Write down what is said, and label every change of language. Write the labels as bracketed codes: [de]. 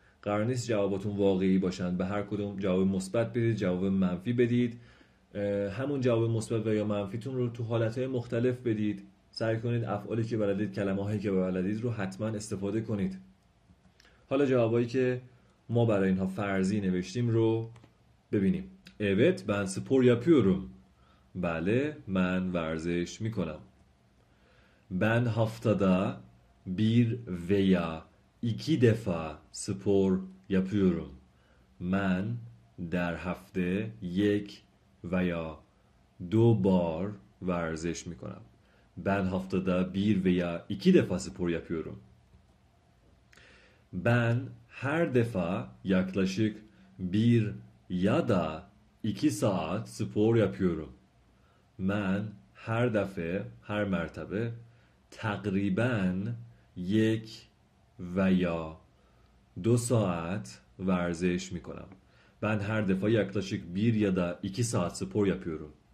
[fa] قرار نیست جواباتون واقعی باشن. به هر کدوم جواب مثبت بدید، جواب منفی بدید. همون جواب مثبت و یا منفیتون رو تو حالتهای مختلف بدید. سعی کنید افعالی که بلدید، کلمه‌هایی که بلدید رو حتما استفاده کنید. حالا جوابایی که ما برای اینها فرضی نوشتیم رو ببینیم. [tr] Evet, ben spor yapıyorum. [fa] بله، من ورزش میکنم. [tr] Ben haftada bir veya iki defa spor yapıyorum. [fa] من در هفته یک و یا دو بار ورزش میکنم. [tr] Ben haftada bir veya iki defa spor yapıyorum. Ben her defa yaklaşık bir ya da iki saat spor yapıyorum. [fa] من هر دفعه، هر مرتبه تقریبا یک و یا دو ساعت ورزش میکنم. من هر دفعه [tr] یاکلاشیک بیر یا دا ایکی ساعت سپور یاپیورم.